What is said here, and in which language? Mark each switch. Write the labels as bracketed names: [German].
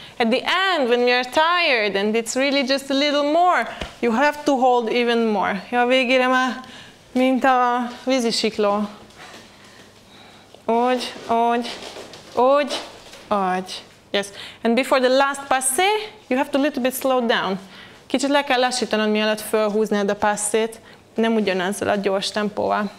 [English] At the end, when you're tired and it's really just a little more, you have to hold even more. [Hungarian] Jó, végére már, mint a vízisikló. Úgy, úgy, úgy, úgy. [English] Yes. And before the last passé, you have to a little bit slow down. [Hungarian] Kicsit le kell lassítanod, mielőtt felhúznád a passét. Nem ugyanaz a gyors tempóval.